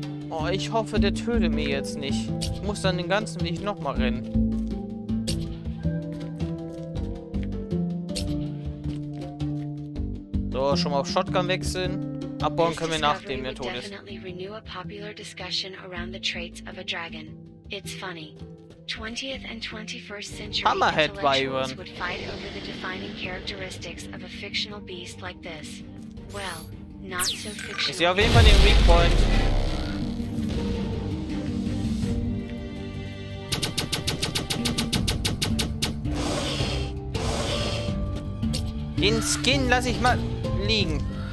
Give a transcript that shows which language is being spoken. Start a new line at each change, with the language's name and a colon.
German: Oh, ich hoffe, der tötet mich jetzt nicht. Ich muss dann den ganzen Weg nochmal rennen. So, schon mal auf Shotgun wechseln. Abbauen können wir nachdem er tot ist.
English: Renew a popular discussion around the traits of a dragon. It's funny. 20th and 21st century Hammerhead Wyvern would fight over the defining characteristics of a fictional beast like this. Well, not so fictional.
German: Ist ja auf jeden Fall den Weak Point. Den Skin lasse ich mal liegen.